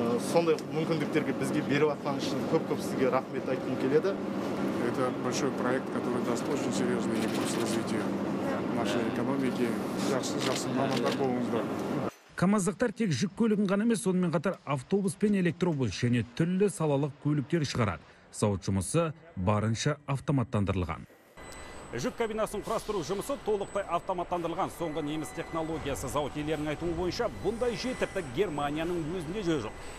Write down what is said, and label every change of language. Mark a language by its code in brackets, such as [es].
[kk] Сондай мүмкіндіктерге бізге беріп атқан үшін көп-көп сізге рахмет айтқым келеді. [ru] Это большой проект, который даст очень серьезный импульс развитию нашей экономики. [kk] Жақсы мамандар болыңыздар. КамАЗдықтар тек жүк көлігін ғана емес, сонымен қатар автобус пен электробус және түрлі салалық көліктер шығарады. Сауд жұмысы барынша автоматтандырылған. Жүк кабинасын құрастыру жұмысы толықтай автоматтандырылған. Соңғы неміс технологиясы зауыт иелерінің айтуы бойынша, бұндай жүйе тіпті Германияның өзінде жоқ.